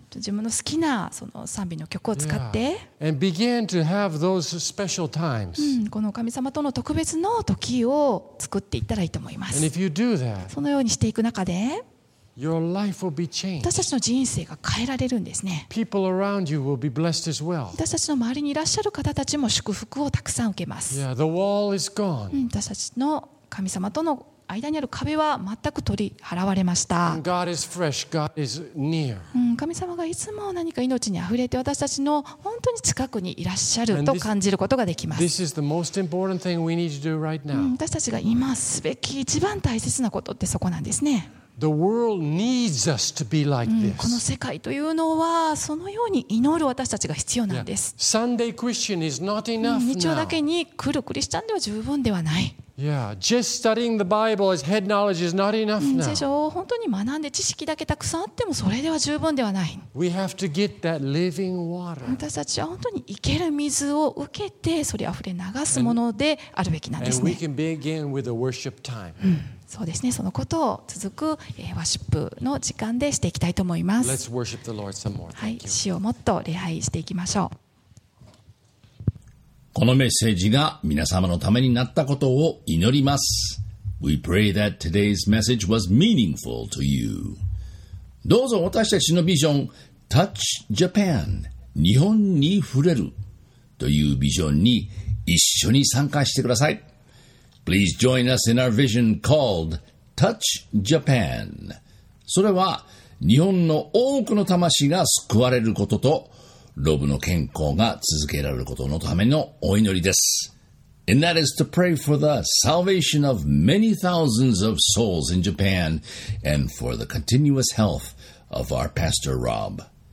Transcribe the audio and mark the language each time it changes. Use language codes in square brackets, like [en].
[ja] 自分の好きなその賛美の曲を使って、 [en] And begin to have those special times. [ja] この神様との特別の時を作っていったらいいと思います。 [en] And if you do that, [ja] そのようにしていく中で、 [en] Your life will be changed. [ja] 私たちの人生が変えられるんですね。 [en] People around you will be blessed as well. [ja] 私たちの周りにいらっしゃる方たちも祝福をたくさん受けます。 [en] Yeah, the wall is gone. [ja] 私たちの神様との間にある壁は全く取り払われました。 [en] God is fresh. God is near. [ja] 神様がいつも何か命にあふれて私たちの本当に近くにいらっしゃると感じることができます。 [en] This is the most important thing we need to do right now. [ja] 私たちが今すべき一番大切なことってそこなんですね。 [en] The world needs us to be like this. [ja] この世界というのはそのように祈る私たちが必要なんです。 [en] Yeah. Sunday Christian is not enough now. [ja] 日曜だけに来るクリスチャンでは十分ではない。 [en] Yeah, just studying the Bible as head knowledge is not enough now. [ja] 聖書を本当に学んで知識だけたくさんあってもそれでは十分ではない。 [en] We have to get that living water. [ja] 私たちは本当に生ける水を受けてそれあふれ流すものであるべきなんですね。 [en] And we can begin with a worship time. [ja] そうですね、そのことを続くワシップの時間でしていきたいと思います。 [en] Let's worship the Lord some more. [ja] はい、主をもっと礼拝していきましょう。このメッセージが皆様のためになったことを祈ります。 [en] We pray that today's message was meaningful to you. [ja] どうぞ私たちのビジョン Touch Japan 日本に触れるというビジョンに一緒に参加してください。 [en] Please join us in our vision called Touch Japan. [ja] それは日本の多くの魂が救われることとロブの健康が続けられることのためのお祈りです。 [en] And that is to pray for the salvation of many thousands of souls in Japan and for the continuous health of our Pastor Rob.